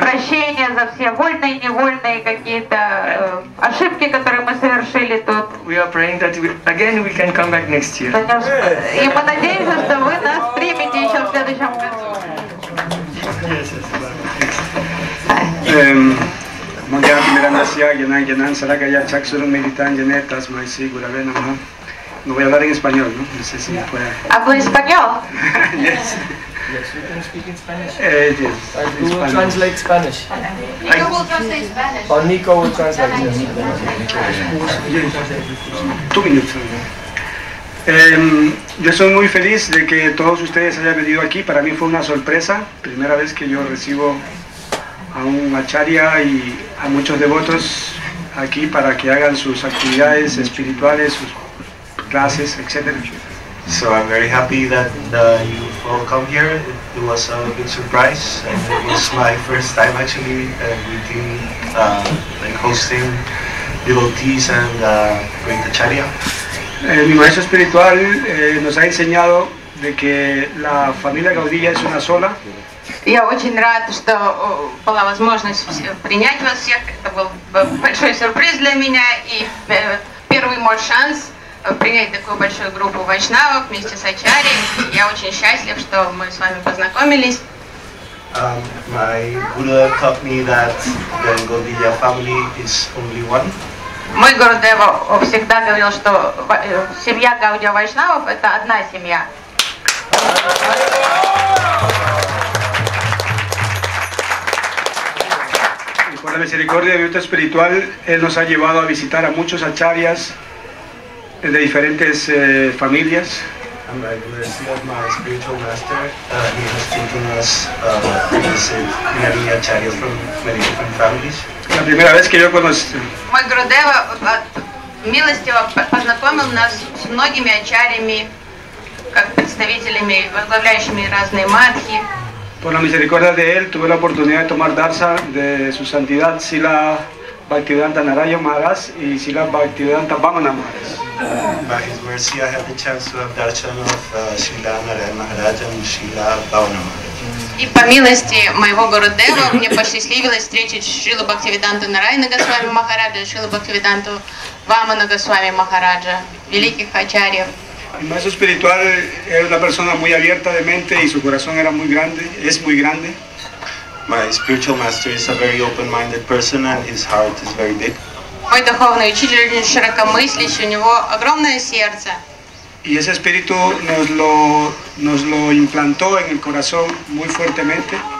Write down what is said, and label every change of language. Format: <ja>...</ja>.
<ru>Просим прощения за все вольные и невольные какие-то ошибки, которые мы совершили тут.</ru> <en>We are praying that we can come back next year.</en> <ru>И мы надеемся, что вы нас примете еще в следующем году.</ru> <sa>Мангиати Миранасия, Генан Генан, Сарагая, Чаксуру, Меритан, Генетас, Майси, Гураве, Намха.</sa> <es>No voy a hablar en español, ¿no? No sé si me puede... ¿Hablo en español?</es> <en>Yes. Yes, you can speak in Spanish. Yes. I will Spanish. Translate Spanish. Nico will translate Spanish. Or Nico will translate, yes. 2 minutes.</en> <es>Yo soy muy feliz de que todos ustedes hayan venido aquí. Para mí fue una sorpresa. Primera vez que yo recibo a un acharya y a muchos devotos aquí para que hagan sus actividades espirituales, sus clases, etc.</es> <en>So I'm very happy that you all come here. It was a big surprise, and it was my first time actually meeting, like hosting devotees and Great Acharya.</en> <es>Mi maestro espiritual nos ha enseñado de que la familia Gaudiya es una sola.</es> <ru>Я очень рад, что была возможность принять вас всех. Это был большой сюрприз для меня и первый мой шанс принять такую большую группу вайшнавов вместе с Ачари. Я очень счастлив, что мы с вами познакомились.</ru> <en>My Guru taught me that the Gaudiya family is only one.</en> <ru>Мой Гурудева всегда говорил, что семья Гаудия вайшнавов – это одна семья.</ru> <es>La misericordia de Dios espiritual, él nos ha llevado a visitar a muchos acharyas de diferentes familias.</es> <en>And by the mercy of my spiritual master, he has taken us to visit many acharyas from many different families.</en> <es>La primera vez que yo conocí.</es> <ru>Мой Гурудева милостиво познакомил нас с многими ачарьями, как представителями, возглавляющими разные мадхи.</ru> <es>Por la misericordia de él, tuve la oportunidad de tomar darsa de su santidad Srila Bhaktivedanta Narayana Maharaj y Srila Bhaktivedanta Vamana Maharaj.</es> <en>By his mercy, I had the chance to have darshan of Srila Narayana Maharaj and Srila Vamana Maharaj.</en> <ru>И по милости моего Гурудева, мне посчастливилось встретить Srila Bhaktivedanta Narayana Goswami Maharaj и Srila Bhaktivedanta Vamana Goswami Maharaj, великих ачарьев.</ru> <es>Mi maestro espiritual era una persona muy abierta de mente y su corazón era muy grande, es muy grande.</es> <en>My spiritual master is a very open-minded person and his heart is very big.</en> <ru>Мой духовный учитель очень широкомыслящий, у него огромное сердце.</ru> <es>Y ese espíritu nos lo implantó en el corazón muy fuertemente.</es>